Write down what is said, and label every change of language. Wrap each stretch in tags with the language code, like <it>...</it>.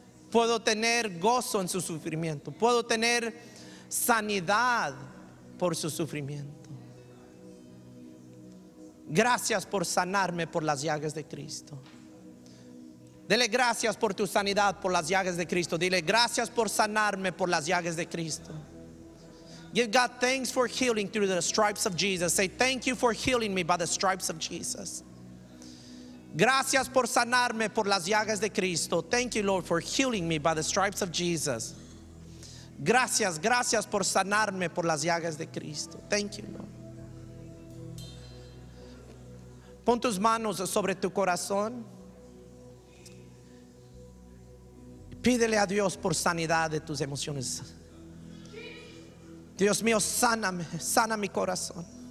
<es>Puedo tener gozo en su sufrimiento. Puedo tener sanidad por su sufrimiento. Gracias por sanarme por las llagas de Cristo. Dele gracias por tu sanidad por las llagas de Cristo. Dile gracias por sanarme por las llagas de Cristo.</es> <en>Give God thanks for healing through the stripes of Jesus. Say thank you for healing me by the stripes of Jesus.</en> <es>Gracias por sanarme por las llagas de Cristo.</es> <en>Thank you, Lord, for healing me by the stripes of Jesus.</en> <es>Gracias, gracias por sanarme por las llagas de Cristo.</es> <en>Thank you, Lord.</en> <es>Pon tus manos sobre tu corazón. Pídele a Dios por sanidad de tus emociones. Dios mío, sáname, sana mi corazón.</es>